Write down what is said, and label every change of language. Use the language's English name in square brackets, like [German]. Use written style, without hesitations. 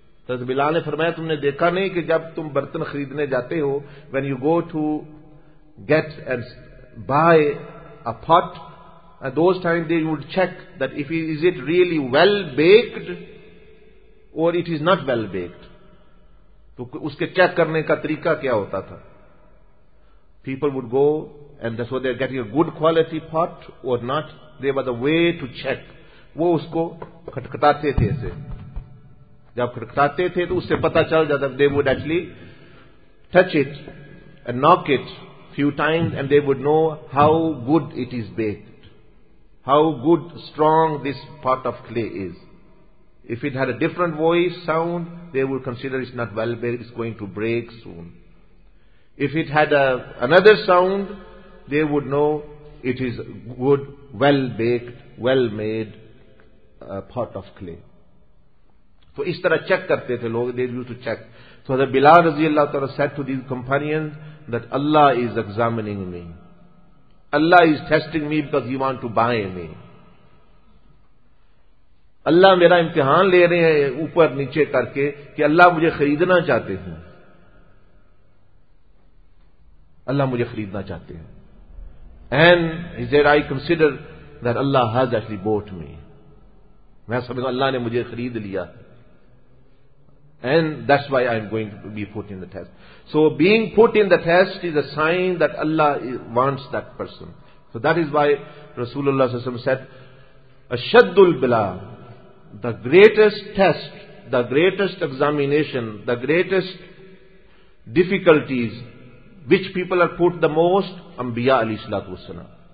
[Urdu] حضرت بلال نے فرمایا تم نے دیکھا نہیں کہ جب تم برتن خریدنے جاتے ہو, [English] when you go to get and buy a pot, at those times they would check that if it, is it really well baked or it is not well baked. [Urdu] تو اس کے چیک کرنے کا طریقہ کیا ہوتا تھا؟ [English] People would go and that's why they are getting a good quality pot or not. There was a way to check. [Urdu] وہ اس کو کھٹکھٹاتے تھے اسے. جب کھٹکھٹاتے تھے تو اس سے پتا چل جاتا. [English] They would actually touch it and knock it few times and they would know how good it is baked. How good, strong this pot of clay is. If it had a different voice, sound, they would consider it's not well baked, it's going to break soon. If it had another sound, they would know it is good, well baked, well made pot of clay. So, [Urdu] is tarah check karte the log, [English] they used to check. So, the Bilal رضی اللہ تعالی said to these companions that Allah is examining me. Allah is testing me because He want to buy me. [Urdu] اللہ میرا امتحان لے رہے ہیں اوپر نیچے کر کے کہ اللہ مجھے خریدنا چاہتے ہیں, اللہ مجھے خریدنا چاہتے ہیں. [English] And he said I consider that Allah has actually bought me. [Urdu] میں سمجھتا ہوں اللہ نے مجھے خرید لیا. [English] And that's why I am going to be put in the test. So being put in the test is a sign that Allah wants that person. So that is why Rasulullah صلی اللہ علیہ وسلم said اشد البلاء, the greatest test, the greatest examination, the greatest difficulties which people are put the most, Anbiya alayhi salatu wasalam.